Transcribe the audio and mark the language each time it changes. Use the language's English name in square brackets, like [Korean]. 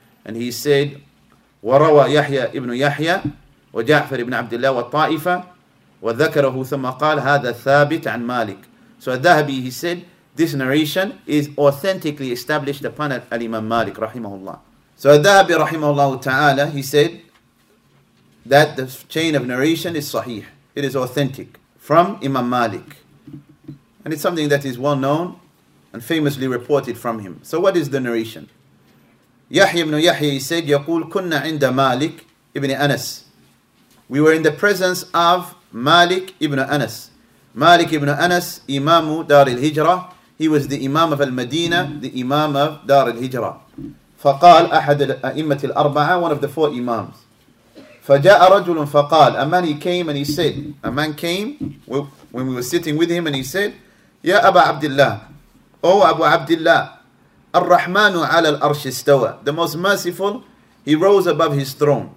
[English] And he said, [Arabic] وَرَوَى يَحْيَى إِبْنُ يَحْيَى وَجَعْفَرِ إِبْنُ عَبْدِ اللَّهِ وَالطَّائِفَ وَذَكَرَهُ ثُمَّ قَالَ هَذَا ثَابِتْ عَنْ مَالِكَ. [English] So al-Dhahabi, he said, this narration is authentically established upon al-Imam Malik rahimahullah. So al-Dhahabi rahimahullah ta'ala, he said that the chain of narration is sahih. It is authentic from Imam Malik. And it's something that is well known and famously reported from him. So what is the narration? [Arabic] Yahya ibn Yahya, he said, يقول كنا عند مالك ابن أنس. [English] We were in the presence of Malik ibn Anas. Malik ibn Anas, Imam Dar al-Hijrah. He was the Imam of al-Madina, the Imam of Dar al-Hijrah. [Arabic] فقال أحد الأئمة الأربعة, [English] one of the four imams. [Arabic] فجاء رجل فقال, [English] a man, he came and he said, a man came when we were sitting with him and he said, [Arabic] يا أبا عبد الله, [English] oh Abu Abdullah, [Arabic] الرحمن على الأرش استوى, [English] the most merciful, he rose above his throne.